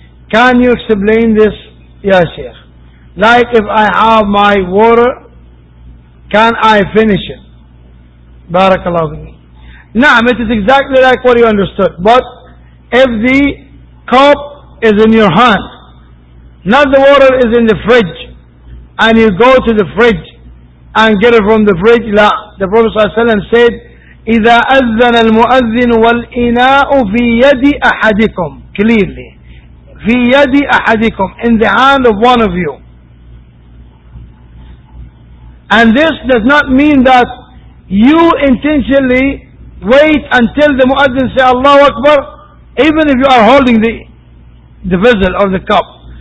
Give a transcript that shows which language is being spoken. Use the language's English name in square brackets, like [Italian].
[English] Can you explain this, Ya Sheikh? Like if I have my water, can I finish it? Barakallahu fi. Naam, it is exactly like what you understood. But if the cup is in your hand, not the water is in the fridge, and you go to the fridge and get it from the fridge. [Arabic] La. [English] The Prophet ﷺ said, [Arabic] "إِذَا أَذَّنَ الْمُؤَذِّنُ وَالْإِنَاءُ فِي يَدِ أَحَدِكُمْ." [English] Clearly, [Arabic] "فِي يَدِ أَحَدِكُمْ," [English] in the hand of one of you. And this does not mean that you intentionally wait until the muazzin say "Allahu Akbar," even if you are holding the vessel or the cup.